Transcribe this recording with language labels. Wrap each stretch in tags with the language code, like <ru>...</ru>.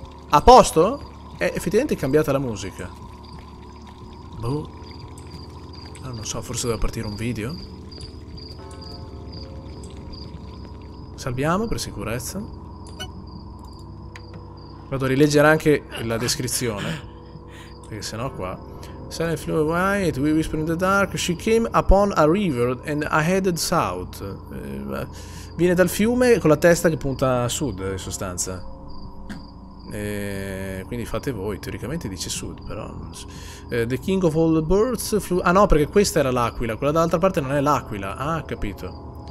<it>A posto? Effettivamente è cambiata la musica. Boh. non lo so, forse doveva partire un video. Salviamo per sicurezza. Vado a rileggere anche la descrizione, perché sennò qua...</it> <en>Silent flew away, we whispered in the dark. She came upon a river and I headed south.</en> <it>Viene dal fiume con la testa che punta a sud, in sostanza. Quindi fate voi, teoricamente dice sud, però...</it> <en>the king of all the birds flew...</en> <it>Ah no, perché questa era l'aquila, quella dall'altra parte non è l'aquila. Ah, capito.</it>